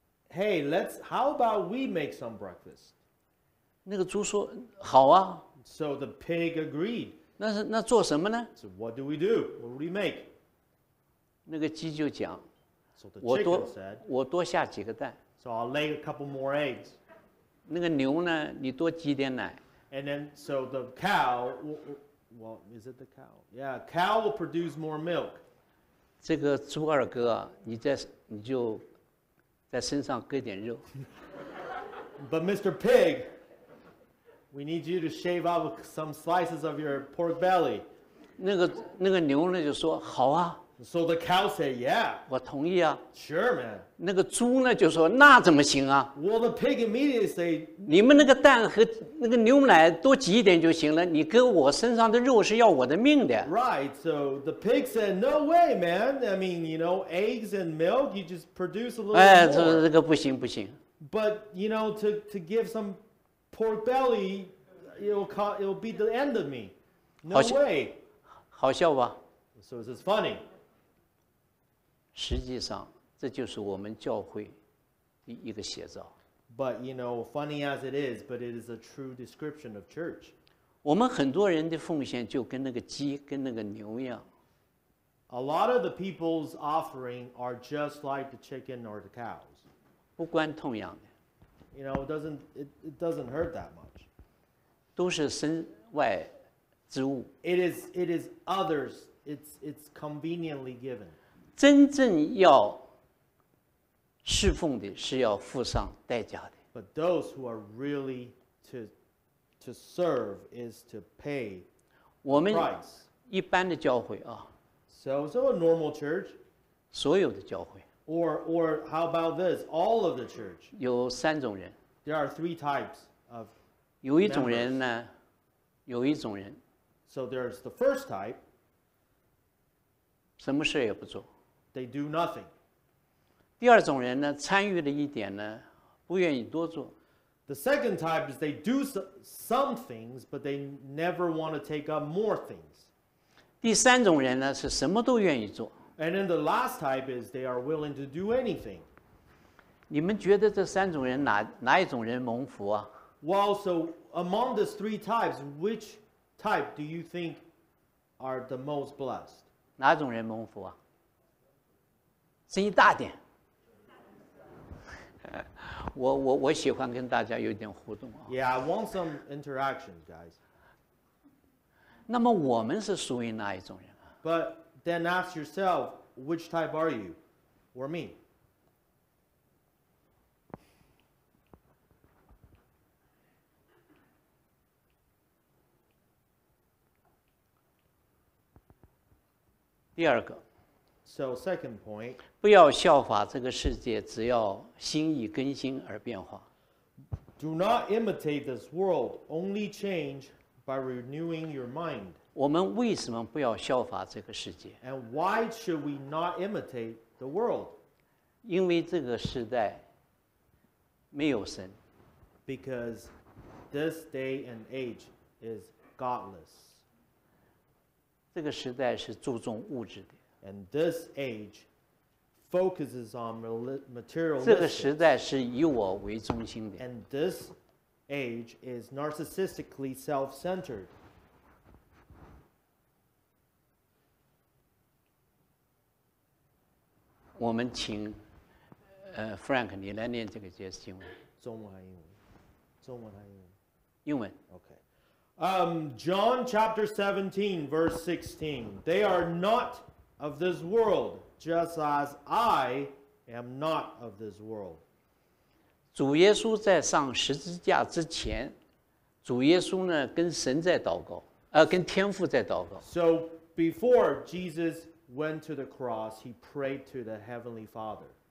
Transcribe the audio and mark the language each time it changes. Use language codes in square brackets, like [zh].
[en] Hey, how about we make some breakfast? [zh] 那个猪说好啊。 [en] So the pig agreed. [zh] 那做什么呢？ [en] So what do we do? What do we make? [zh] 那个鸡就讲， [en] So the chicken said, [zh] 我多下几个蛋。 [en] So I'll lay a couple more eggs. [zh] 那个牛呢，你多挤点奶。 [en] And then, so the cow, well, is it the cow? Yeah, cow will produce more milk. [zh] 这个猪二哥，你就在身上割点肉。 [en] But Mr. Pig, we need you to shave off some slices of your pork belly. [zh] 那个牛呢就说好啊。 [en] So the cow said, yeah. [zh] 我同意啊。 [en] Sure, man. [zh] 那个猪呢就说那怎么行啊。 [en] Well, the pig immediately said, [zh] 你们那个蛋和那个牛奶多挤一点就行了，你割我身上的肉是要我的命的。 [en] Right, so the pig said, no way, man. I mean, you know, eggs and milk, you just produce a little more. [zh] 哎，这个不行不行。 [en] But, you know, to give some pork belly, it'll be the end of me. No way. [zh] 好笑吧。 [en] So is this funny? [zh] 实际上，这就是我们教会的一个写照。 [en] But you know, funny as it is, but it is a true description of church. [zh] 我们很多人的奉献就跟那个鸡、跟那个牛一样。 [en] A lot of the people's offering are just like the chicken or the cows. [zh] 不关痛痒的。 [en] You know, it doesn't hurt that much. [zh] 都是身外之物。 [en] It is others. It's conveniently given. [zh] 真正要侍奉的是要付上代价的。 [en] But those who are really to serve is to pay price. [zh] 我们一般的教会啊。 [en] So a normal church. [zh] 所有的教会。 [en] Or how about this? All of the church. [zh] 有三种人。 [en] There are three types of members. [zh] 有一种人呢，有一种人。 [en] So there's the first type. [zh] 什么事也不做。 [en] They do nothing. [zh] 第二种人呢，参与了一点呢，不愿意多做。 [en] The second type is they do some things, but they never want to take up more things. [zh] 第三种人呢，是什么都愿意做。 [en] And then the last type is they are willing to do anything. [zh] 你们觉得这三种人哪一种人蒙福啊？ [en] Well, so among these three types, which type do you think are the most blessed? [zh] 哪种人蒙福啊？声音大点。我喜欢跟大家有点互动啊。 [en] Yeah, I want some interaction, guys. [zh] 那么我们是属于哪一种人啊？ [en] But then ask yourself, which type are you, or me? [zh] 第二个 [en] ，So second point， [zh] 不要效法这个世界，只要心意更新而变化。 [en] Do not imitate this world, only change by renewing your mind. [zh] 我们为什么不要效法这个世界 [en] ？And why should we not imitate the world？ [zh] 因为这个时代没有神。 [en] Because this day and age is godless. [zh] 这个时代是注重物质的。 [en] And this age focuses on material. [zh] 这个时代是以我为中心的。 [en] And this age is narcissistically self-centered. [zh] 我们请Frank， 你来念这个节经文。中文还英文？中文还英文？英文。 [en] OK。 John chapter 17, verse 16. They are not of this world, just as I am not of this world. [zh] 主耶稣在上十字架之前，主耶稣呢跟神在祷告，跟天父在祷告。 [en] So before Jesus went to the cross, he prayed to the Heavenly Father.